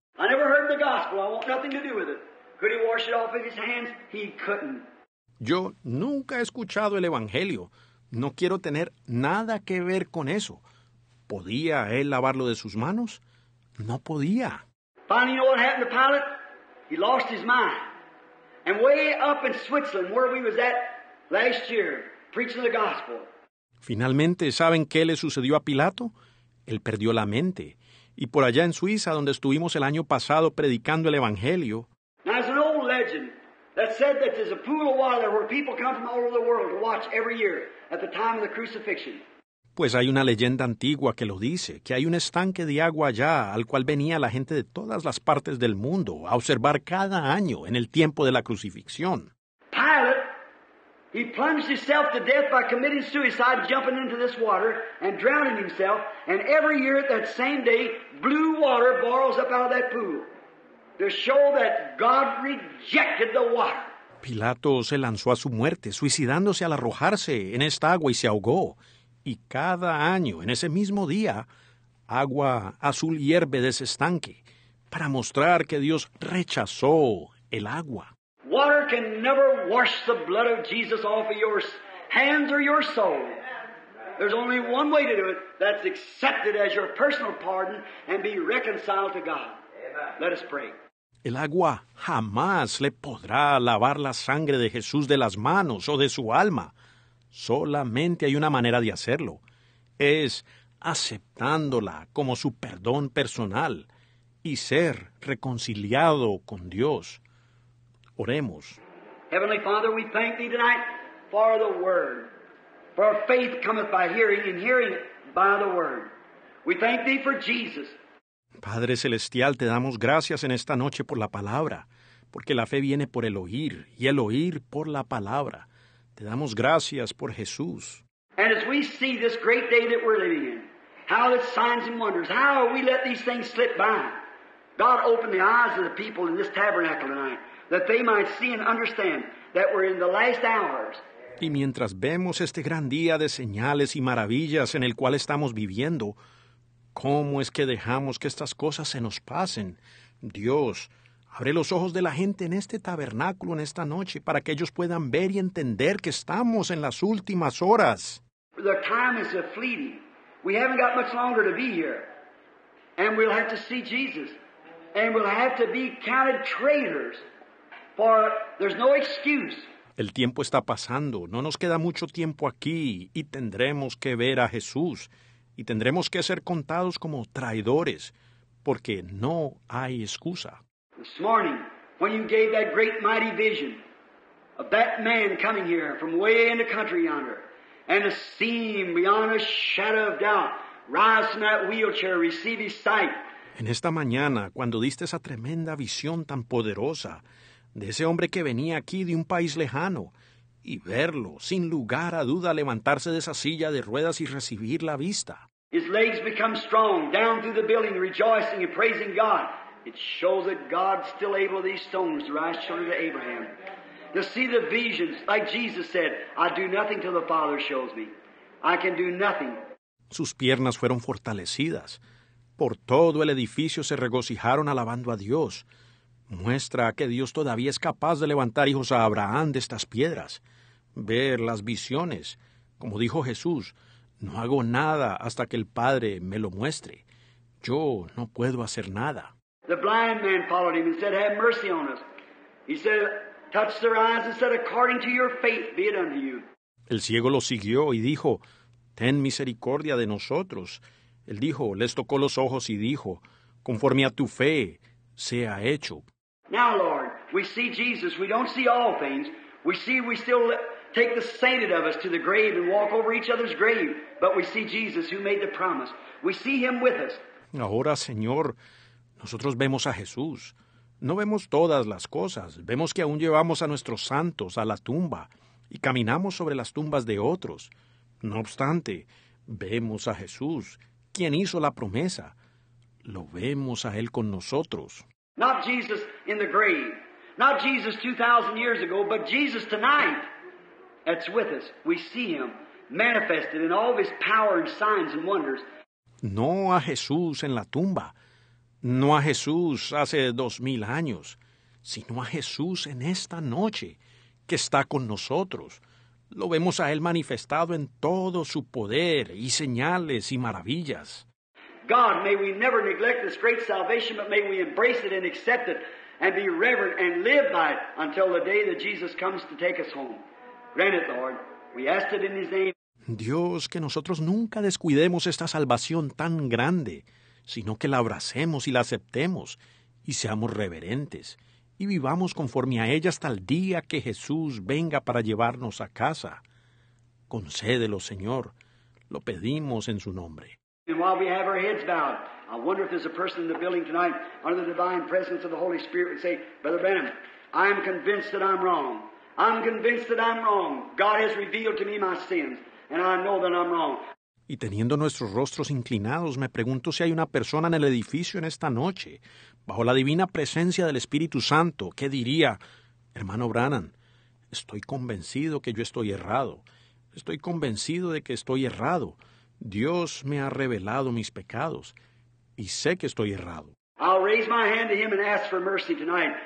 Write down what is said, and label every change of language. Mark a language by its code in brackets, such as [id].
[en] I never heard the gospel. I want nothing to do with it. Could he wash it off with his hands? He couldn't. [es] Yo nunca he escuchado el Evangelio. No quiero tener nada que ver con eso. ¿Podía él lavarlo de sus manos? No podía. [en] Finally, you know what happened to Pilate? He lost his mind. And way up in Switzerland, where we was at last year, preaching the gospel. [es] Finalmente, ¿saben qué le sucedió a Pilato? Él perdió la mente. Y por allá en Suiza, donde estuvimos el año pasado predicando el Evangelio. [en] Now, there's an old legend that said that there's a pool of water where people come from all over the world to watch every year at the time of the crucifixion. [es] Pues hay una leyenda antigua que lo dice, que hay un estanque de agua allá al cual venía la gente de todas las partes del mundo a observar cada año en el tiempo de la crucifixión. [en] Pilate, he plunged himself to death by committing suicide, jumping into this water and drowning himself, and every year at that same day, blue water boils up out of that pool to show that God rejected the water. [es] Pilato se lanzó a su muerte, suicidándose al arrojarse en esta agua y se ahogó. Y cada año, en ese mismo día, agua azul hierve de ese estanque para mostrar que Dios rechazó el agua. [en] Water can never wash the blood of Jesus off of your hands or your soul. There's only one way to do it. That's accepted as your personal pardon and be reconciled to God. Let us pray. [es] El agua jamás le podrá lavar la sangre de Jesús de las manos o de su alma. Solamente hay una manera de hacerlo. Es aceptándola como su perdón personal y ser reconciliado con Dios. Oremos. [en] Heavenly Father, we thank thee tonight for the word. For faith cometh by hearing, and hearing by the word. We thank thee for Jesus. [es] Padre Celestial, te damos gracias en esta noche por la palabra, porque la fe viene por el oír, y el oír por la palabra. Te damos gracias por Jesús. [en] And as we see this great day that we're living in, how the signs and wonders, how we let these things slip by. God, open the eyes of the people in this tabernacle tonight, that they might see and understand that we're in the last hours. [es] Y mientras vemos este gran día de señales y maravillas en el cual estamos viviendo, ¿cómo es que dejamos que estas cosas se nos pasen? Dios, abre los ojos de la gente en este tabernáculo en esta noche para que ellos puedan ver y entender que estamos en las últimas horas. [en] The time is fleeting. We haven't got much longer to be here. And we'll have to see Jesus. And we'll have to be counted traitors. For there's no excuse. [es] El tiempo está pasando. No nos queda mucho tiempo aquí. Y tendremos que ver a Jesús. Y tendremos que ser contados como traidores. Porque no hay excusa. [en] This morning, when you gave that great mighty vision of that man coming here from way in the country yonder, and a seam beyond a shadow of doubt, rise from that wheelchair, receive his sight. [es] En esta mañana, cuando diste esa tremenda visión tan poderosa de ese hombre que venía aquí de un país lejano, y verlo sin lugar a duda levantarse de esa silla de ruedas y recibir la vista. [en] His legs become strong, down through the building, rejoicing and praising God. It shows that God's still able these stones to rise children to Abraham. To see the visions, like Jesus said, I do nothing till the Father shows me. I can do nothing. [es] Sus piernas fueron fortalecidas. Por todo el edificio se regocijaron alabando a Dios. Muestra que Dios todavía es capaz de levantar hijos a Abraham de estas piedras. Ver las visiones. Como dijo Jesús, no hago nada hasta que el Padre me lo muestre. Yo no puedo hacer nada. [en] The blind man followed him and said, have mercy on us. He said, touched their eyes and said, "According to your faith, be it unto you." [es] El ciego lo siguió y dijo, "Ten misericordia de nosotros." Él dijo, les tocó los ojos y dijo, "Conforme a tu fe, sea hecho." [en] Now, Lord, we see Jesus. We don't see all things. We still take the sainted of us to the grave and walk over each other's grave. But we see Jesus who made the promise. We see him with us. [es] Ahora, Señor, nosotros vemos a Jesús. No vemos todas las cosas. Vemos que aún llevamos a nuestros santos a la tumba y caminamos sobre las tumbas de otros. No obstante, vemos a Jesús, quien hizo la promesa. Lo vemos a Él con nosotros. [en] Not Jesus in the grave. Not Jesus 2,000 years ago, but Jesus tonight. That's with us. We see him manifested in all of his power and signs and wonders. [es] No a Jesús en la tumba. No a Jesús hace 2,000 años. Sino a Jesús en esta noche, que está con nosotros. Lo vemos a él manifestado en todo su poder y señales y maravillas. [en] God, may we never neglect this great salvation, but may we embrace it and accept it and be reverent and live by it until the day that Jesus comes to take us home. Grant it, Lord. We ask it in his name. [es] Dios, que nosotros nunca descuidemos esta salvación tan grande, sino que la abracemos y la aceptemos y seamos reverentes y vivamos conforme a ella hasta el día que Jesús venga para llevarnos a casa. Concédelo, Señor. Lo pedimos en su nombre. [en] And while we have our heads bowed, I wonder if there's a person in the building tonight under the divine presence of the Holy Spirit would say, "Brother Branham, I am convinced that I'm wrong. I'm convinced that I'm wrong. God has revealed to me my sins, and I know that I'm wrong." [es] Y teniendo nuestros rostros inclinados, me pregunto si hay una persona en el edificio en esta noche, bajo la divina presencia del Espíritu Santo, que diría, "Hermano Branham, estoy convencido que yo estoy errado. Estoy convencido de que estoy errado. Dios me ha revelado mis pecados, y sé que estoy errado." [en] I'll raise my hand to him and ask for mercy tonight.